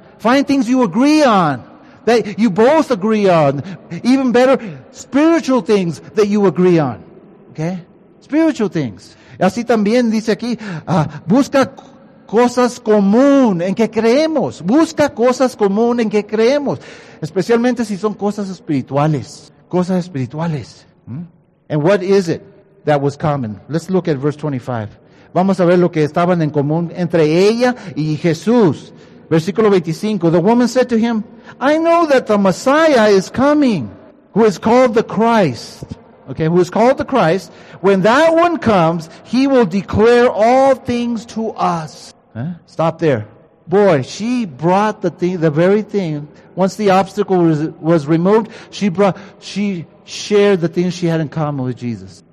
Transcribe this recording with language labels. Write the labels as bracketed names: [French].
[English] Find things you agree on, that you both agree on. Even better, spiritual things that you agree on. Okay? Spiritual things. [Spanish] Así también dice aquí, busca cosas común en que creemos. Busca cosas común en que creemos. Especialmente si son cosas espirituales. Cosas espirituales. [English] And what is it that was common? Let's look at verse 25. [Spanish] Vamos a ver lo que estaban en común entre ella y Jesús. Versículo 25. [English] The woman said to him, I know that the Messiah is coming, who is called the Christ. Okay, who is called the Christ. When that one comes, he will declare all things to us. Stop there. Boy, she brought the very thing. Once the obstacle was removed, she shared the things she had in common with Jesus.